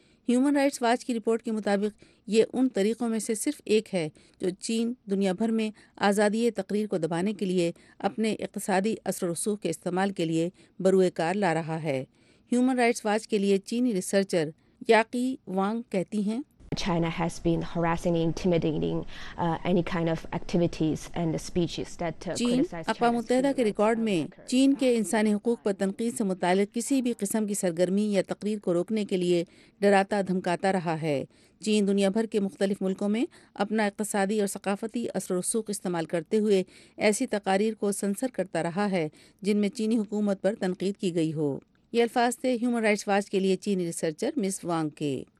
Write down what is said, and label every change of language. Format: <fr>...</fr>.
<ur>Human rights watch کی report کے مطابق یہ ان طریقوں میں سے صرف ایک ہے جو چین دنیا بھر میں آزادی تقریر کو دبانے کے لیے اپنے اقتصادی اثر و رسوخ کے استعمال کے لیے بروئے کار لا رہا ہے۔ ہیومن رائٹس واچ کے لیے چینی ریسرچر یاقی وانگ کہتی ہیں،</ur> <en>China has been harassing, intimidating any kind of activities and speeches that criticize</en> <ur>اقوام متحدہ کے ریکارڈ میں چین کے انسانی حقوق پر تنقید سے متعلق کسی بھی قسم کی سرگرمی یا تقریر کو روکنے کے لیے ڈراتا دھمکاتا رہا ہے۔ چین دنیا بھر کے مختلف ملکوں میں اپنا اقتصادی اور ثقافتی اثر و رسوخ استعمال کرتے ہوئے ایسی تقاریر کو سنسر کرتا رہا ہے جن میں چینی حکومت پر تنقید کی گئی ہو۔ یہ الفاظ تھے ہیومن رائٹس واچ کے لیے چینی ریسرچر مس وانگ کے۔</ur>